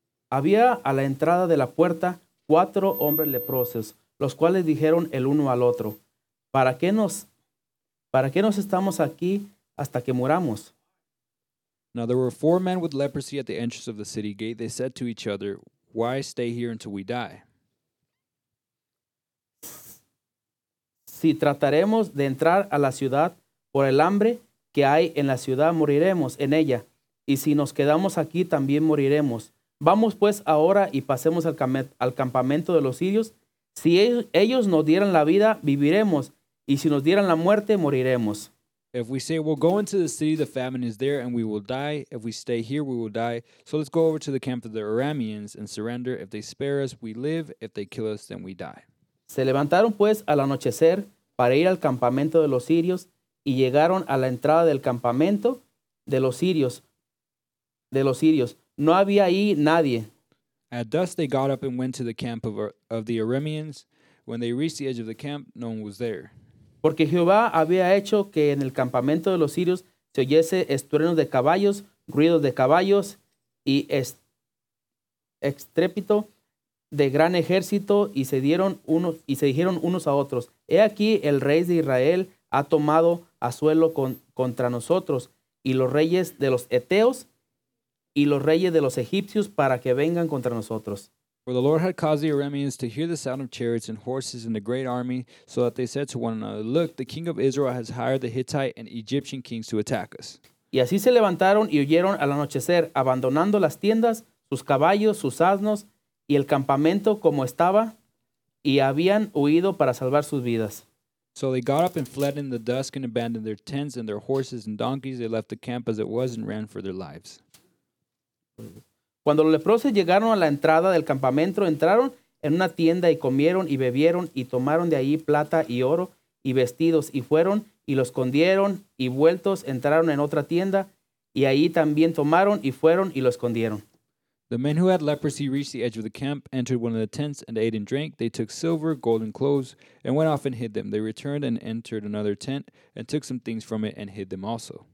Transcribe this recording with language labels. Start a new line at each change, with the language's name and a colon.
Spanish: Había a la entrada de la puerta cuatro hombres leprosos. Los cuales dijeron el uno al otro, ¿para qué nos estamos aquí hasta que muramos?
English: Now there were four men with leprosy at the entrance of the city gate. They said to each other, why stay here until we die?
Spanish: Si trataremos de entrar a la ciudad por el hambre que hay en la ciudad, moriremos en ella. Y si nos quedamos aquí, también moriremos. Vamos pues ahora y pasemos al campamento de los sirios. Si ellos nos dieran la vida, viviremos. Y si nos dieran la muerte, moriremos.
English: If we say, we'll go into the city, the famine is there, and we will die. If we stay here, we will die. So let's go over to the camp of the Arameans and surrender. If they spare us, we live. If they kill us, then we die.
Spanish: Se levantaron, pues, al anochecer para ir al campamento de los sirios y llegaron a la entrada del campamento de los sirios. No había ahí nadie.
English: At dusk they got up and went to the camp of the Arameans. When they reached the edge of the camp, no one was there.
Spanish: Porque Jehová había hecho que en el campamento de los sirios se oyese estruendos de caballos, ruidos de caballos, y estrépito de gran ejército, y se dijeron unos a otros, he aquí el rey de Israel ha tomado asuelo contra nosotros, y los reyes de los eteos, y los reyes de los egipcios para que vengan contra nosotros.
English: For the Lord had caused the Arameans to hear the sound of chariots and horses in the great army, so that they said to one another, look, the king of Israel has hired the Hittite and Egyptian kings to attack us.
Spanish: Y así se levantaron y huyeron al anochecer, abandonando las tiendas, sus caballos, sus asnos, y el campamento como estaba, y habían huido para salvar sus vidas.
English: So they got up and fled in the dusk and abandoned their tents and their horses and donkeys. They left the camp as it was and ran for their lives.
Spanish: Cuando los leprosos llegaron a la entrada del campamento, entraron en una tienda y comieron y bebieron y tomaron de allí plata y oro y vestidos y fueron y lo escondieron y vueltos entraron en otra tienda y allí también tomaron y fueron y lo escondieron.
English: The men who had leprosy reached the edge of the camp, entered one of the tents and ate and drank. They took silver, gold and clothes and went off and hid them. They returned and entered another tent and took some things from it and hid them also.